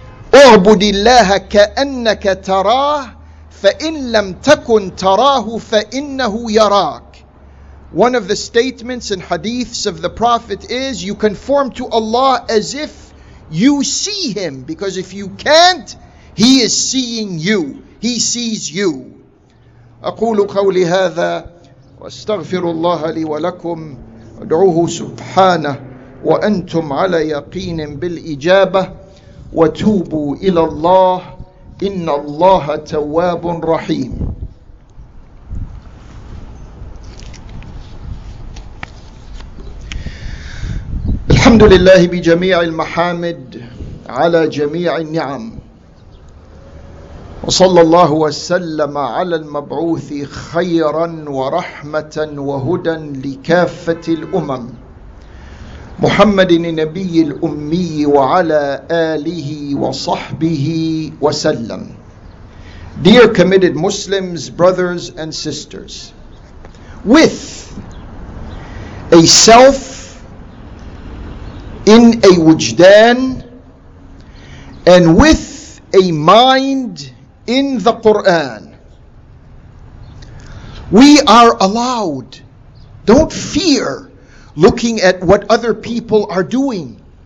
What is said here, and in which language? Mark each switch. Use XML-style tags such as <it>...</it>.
<ar>اعْبُدِ اللَّهَ كَأَنَّكَ تَرَاهُ فَإِنْ لَمْ تَكُنْ تَرَاهُ فَإِنَّهُ يَرَاكَ.</ar> <en>One of the statements and hadiths of the Prophet is, you conform to Allah as if you see Him, because if you can't, He is seeing you. He sees you.</en> <ar>أقول قولي هذا واستغفر الله لي ولكم أدعوه سبحانه وأنتم على يقين بالإجابة. وَتُوبُوا إِلَى اللَّهِ إِنَّ اللَّهَ تَوَّابٌ رَحِيمٌ. الحمد لله بجميع المحامد على جميع النعم وصلى الله وسلم على المبعوث خيرا ورحمة وهدى لكافة الأمم محمد النبي الأمي وعلى آله وصحبه وسلم.</ar> <en>Dear committed Muslims, brothers and sisters, with a self in a wujdan and with a mind in the Quran, we are allowed, don't fear looking at what other people are doing.</en>